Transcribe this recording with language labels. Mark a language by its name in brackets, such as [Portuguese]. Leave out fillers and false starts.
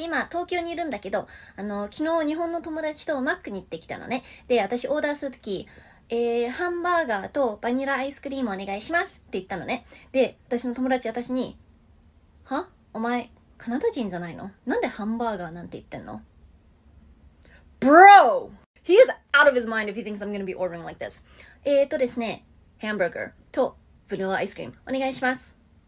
[Japanese] Tokyo にいるんだけど、昨日日本の友達とマックに行ってきたのね。で、私オーダーするとき、ハンバーガーとバニラアイスクリームお願いしますって言ったのね。で、私の友達私に、は？お前、カナダ人じゃないの？なんでハンバーガーなんて言ってんの？ [English] Bro! He is out of his mind if he thinks I'm gonna be ordering like this. [Japanese] ですね、ハンバーガーとバニラアイスクリームお願いします。